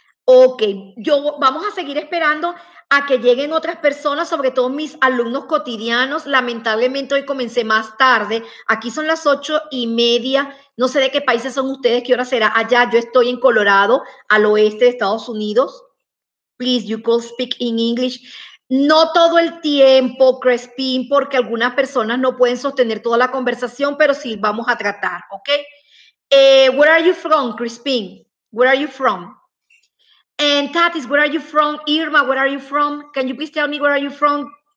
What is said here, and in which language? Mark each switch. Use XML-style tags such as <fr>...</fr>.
<es>Ok, vamos a seguir esperando a que lleguen otras personas, sobre todo mis alumnos cotidianos. Lamentablemente hoy comencé más tarde. Aquí son las 8:30. No sé de qué países son ustedes, qué hora será allá. Yo estoy en Colorado, al oeste de Estados Unidos.</es> <en>Please, you could speak in English.</en> <es>No todo el tiempo, Crespin, porque algunas personas no pueden sostener toda la conversación, pero sí vamos a tratar, ¿ok?</es> <en>Where are you from, Crespin? Where are you from? And Tatis, where are you from? Irma, where are you from? Can you please tell me where are you from?</en>